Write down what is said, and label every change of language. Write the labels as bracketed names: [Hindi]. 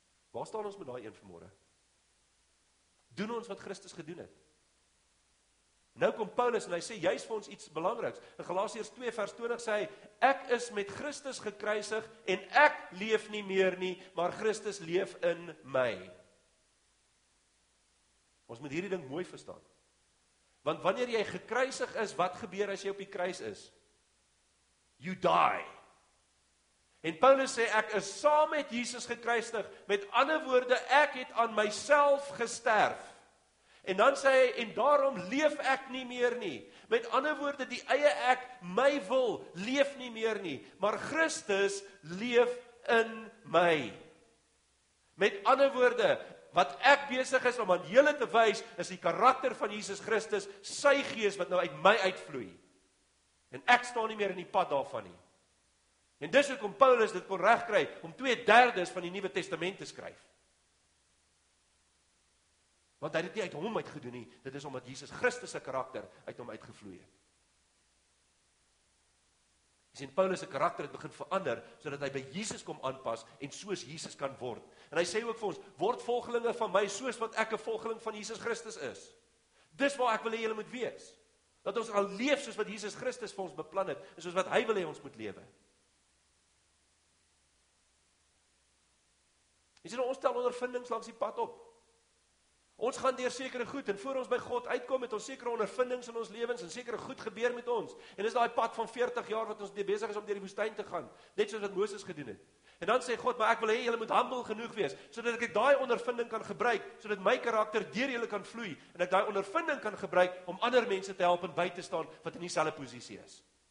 [Afrikaans] Waar staan ons met daai een vanmôre? Doen ons wat Christus gedoen het? Nou kom Paulus en hy sê, jy is vir ons iets belangriks. In Galasiërs 2 vers 20 sê hy, ek is met Christus gekruisig en ek leef nie meer nie, maar Christus leef in my. Ons moet hierdie ding mooi verstaan. Want wanneer jy gekruisig is, wat gebeur as jy op die kruis is? [English] You die. [Afrikaans] En Paulus sê, ek is saam met Jesus gekruisig, met ander woorde, ek het aan myself gesterf. En dan sê hy, en daarom leef ek nie meer nie. Met ander woorde, die eie ek, my wil, leef nie meer nie. Maar Christus leef in my. Met ander woorde, wat ek besig is om aan julle te wys, is die karakter van Jesus Christus, sy gees wat nou uit my uitvloei. En ek staan nie meer in die pad daarvan nie. En dis hoekom Paulus dit kon regkry om 2/3 van die Nuwe Testament te skryf. Want hy het nie uit hom uitgedoen nie, dit is omdat Jesus Christus se karakter uit hom uitgevloei het. Hy sê, Paulus se karakter het begin verander, sodat hy by Jesus kom aanpas en soos Jesus kan word. En hy sê ook vir ons, word volgelinge van my soos wat ek 'n volgeling van Jesus Christus is. Dis waar ek wil hê julle moet wees. Dat ons al leef soos wat Jesus Christus vir ons beplan het, en soos wat hy wil hê ons moet lewe. Jy sien, ons tel ondervindings langs die pad op. Ons gaan deur sekere goed, en voor ons by God uitkom, het ons sekere ondervindings in ons lewens, en sekere goed gebeur met ons. En dis daai pad van 40 jaar wat ons besig is om deur die woestyn te gaan, net soos wat Moses gedoen het. En dan sê God, maar ek wil hê julle moet humble genoeg wees, sodat ek daai ondervinding kan gebruik, sodat my karakter deur julle kan vloei, en ek daai ondervinding kan gebruik om ander mense te help en by te staan wat in dieselfde posisie is.